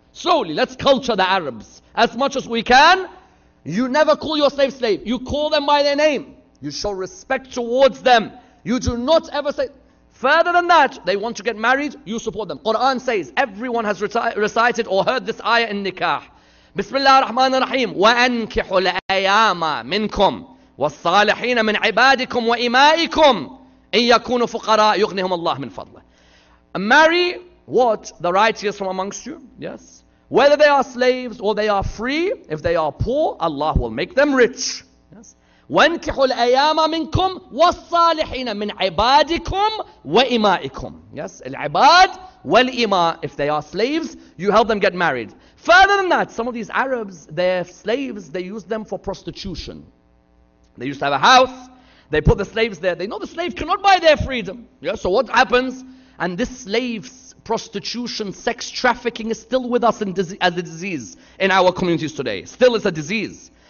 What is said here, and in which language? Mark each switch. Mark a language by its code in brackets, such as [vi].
[en] Slowly, let's culture the Arabs as much as we can. You never call your slave slave. You call them by their name. You show respect towards them. You do not ever say, further than that, they want to get married, you support them. Quran says, everyone has recited or heard this ayah in nikah. Bismillah ar-Rahman ar-Rahim. [ar] وَأَنْكِحُ الْأَيَامَ مِنْكُمْ وَالصَّالِحِينَ مِنْ عِبَادِكُمْ وَإِمَائِكُمْ إِنْ يَكُونُ فُقَرَاءَ يُغْنِهُمُ اللَّهُ مِنْ فَضْلِهِ. [en] Marry what? The righteous from amongst you? Yes. Whether they are slaves or they are free, if they are poor, Allah will make them rich. [ar] وَانْكِحُوا الْأَيَامَ مِنْكُمْ وَالصَّالِحِينَ مِنْ عِبَادِكُمْ وَإِمَائِكُمْ. [en] Yes, [ar] العباد والإماء. [en] If they are slaves, you help them get married. Further than that, some of these Arabs, their slaves, they use them for prostitution. They used to have a house. They put the slaves there. They know the slave cannot buy their freedom. Yes, so what happens? And this slave's prostitution, sex trafficking is still with us in as a disease in our communities today. Still is a disease.